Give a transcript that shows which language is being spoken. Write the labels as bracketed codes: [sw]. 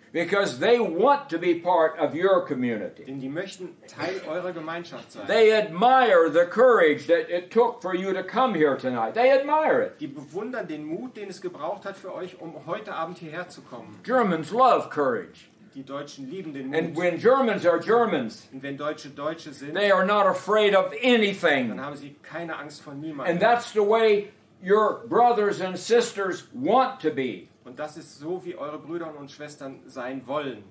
[en] Because they want to be part of your community. [de] Denn die möchten Teil eurer Gemeinschaft sein. [en] They admire the courage that it took for you to come here tonight. They admire it. [de] Die bewundern den Mut, den es gebraucht hat für euch, um heute Abend hierher zu kommen. [en] Germans love courage. [de] Die Deutschen lieben den Mut. [en] And when Germans are Germans, [de] und wenn Deutsche Deutsche sind, [en] they are not afraid of anything. [de] Dann haben sie keine Angst vor niemandem. [en] And that's the way your brothers and sisters want to be. [de] Und das ist so, wie eure Brüder und Schwestern sein wollen.